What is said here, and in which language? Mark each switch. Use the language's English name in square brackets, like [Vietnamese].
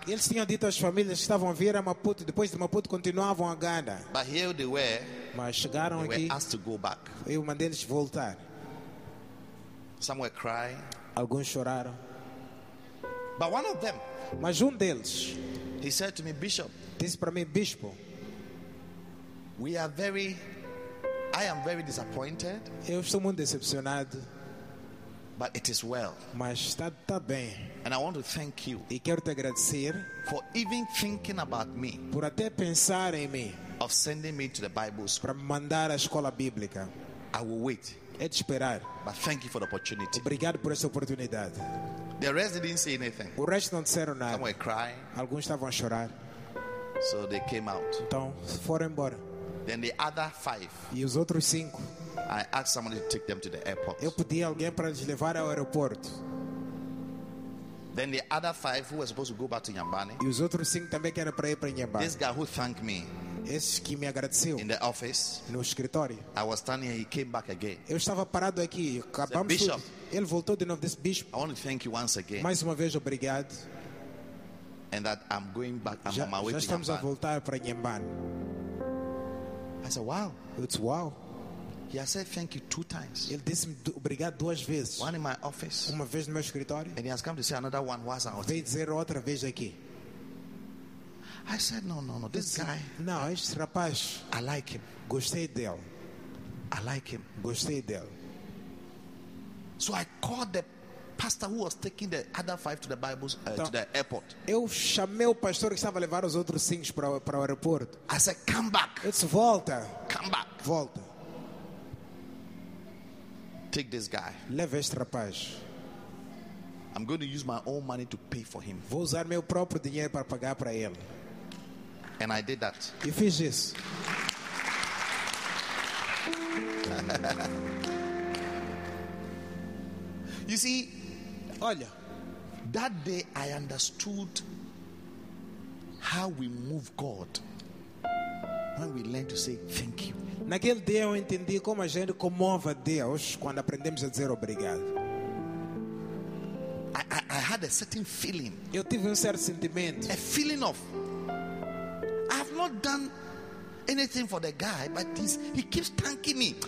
[Portuguese] Eles tinham dito às famílias que estavam a vir a Maputo, depois de Maputo continuavam a Ghana. [English] But here they were. [Portuguese] Mas chegaram [English] they [Portuguese] aqui. [English] They were asked to go back. [Portuguese] Eu mandei eles voltar. [English] Some were crying. [Portuguese] Alguns choraram. [English] But one of them, [Portuguese] mas deles, [English] he said to me, Bishop. [Portuguese] Disse para mim, Bispo. [English] We are very. I am very disappointed. [Portuguese] Eu estou muito decepcionado. [English] But it is well. [Portuguese] Mas está bem. [English] And I want to thank you. [Portuguese] E quero te agradecer [English] for even thinking about me. [Portuguese] Por até pensar em mim. [English] Of sending me to the Bible school. [Portuguese] Para mandar à escola bíblica. [English] I will wait. [Portuguese] É de esperar. [English] But thank you for the opportunity. [Portuguese] Obrigado por essa oportunidade. [English] The rest didn't say anything. [Portuguese] O resto não disseram nada. [English] Some were crying. [Portuguese] Alguns estavam a chorar. [English] So they came out. [Portuguese] Então foram embora. [English] Then the other 5. [Portuguese] E os outros 5. [English] I asked somebody to take them to the airport. [Portuguese] Eu pedi alguém para lhes levar ao aeroporto. [English] Then the other 5 who were supposed to go back to Nyambani. [Portuguese] E os outros 5 também que eram para ir para Nyambani. [English] This guy who thanked me. [Portuguese] Esse que me agradeceu. [English] In the office, [Portuguese] no escritório. [English] I was standing and he came back again. [Portuguese] Eu estava parado aqui. Acabamos [English] said, Bishop, [Portuguese] ele voltou de novo. [English] This bishop. I want to thank you once again. [Portuguese] Mais uma vez obrigado. [English] And that I'm going back. I'm on my way to [Portuguese] Nyambani. Já estamos a voltar para Nyambani. [English] I said, wow. It's wow. He has said thank you 2 times. [Portuguese] Ele disse-me obrigado 2 vezes. [English] One in my office. [Portuguese] Uma vez no meu escritório. [English] And he has come to say another one once out. [Portuguese] Veio dizer outra vez aqui. [English] I said no. This guy. [Portuguese] Não, este rapaz. [English] I like him. [Portuguese] Gostei dele. [English] I like him. [Portuguese] Gostei dele. [English] So I called the pastor who was taking the other five to the Bibles to the airport. [Portuguese] Eu chamei o pastor que estava a levar os outros cinco para o aeroporto. [English] I said, come back. It's [Portuguese] volta. [English] Come back. [Portuguese] Volta. [English] Take this guy. [Portuguese] Leve este rapaz. [English] I'm going to use my own money to pay for him. [Portuguese] Vou usar meu próprio dinheiro para pagar para ele. [English] And I did that. [Portuguese] E fiz isso. [English] You see, [Portuguese] olha, [English] that day I understood how we move God when we learn to say thank you. [Portuguese] Naquele dia eu entendi como a gente comove a Deus quando aprendemos a dizer obrigado. [English] I had a certain feeling. [Portuguese] Eu tive certo sentimento. [English] A feeling of, I have not done anything for the guy, but he keeps thanking me.